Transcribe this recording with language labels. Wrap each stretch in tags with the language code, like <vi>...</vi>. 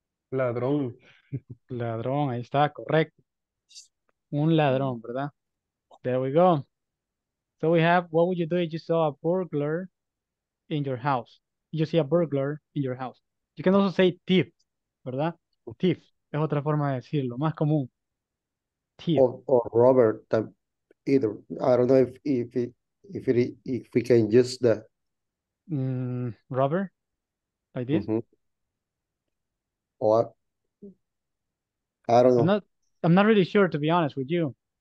<es>Ladrón. Ladrón, ahí está, correcto. Un ladrón, ¿verdad?</es> <en>There we go. So we have, what would you do if you saw a burglar in your house? You see a burglar in your house. You can also say thief,</en> <es>¿verdad? Thief es otra forma de decirlo, más común.</es> <en>Thief. Or robber, either. I don't know if we can use that. Robber? Like this? Mm-hmm. Or, I don't know. I'm not really sure, to be honest with you.</en>